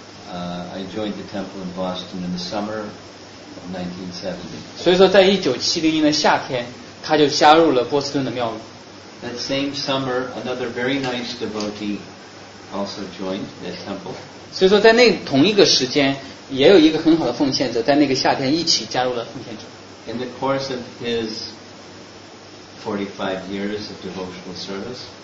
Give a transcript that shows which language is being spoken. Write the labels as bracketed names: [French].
[English] And I joined the temple in Boston in the summer of 1970. [Chinese] 所以说在1970年的夏天他就加入了波士顿的庙宇。 [English] That same summer, another very nice devotee also joined that temple. [Chinese] 所以说在那同一个时间也有一个很好的奉献者在那个夏天一起加入了奉献者。 [English] In the course of his 45 years of devotional service.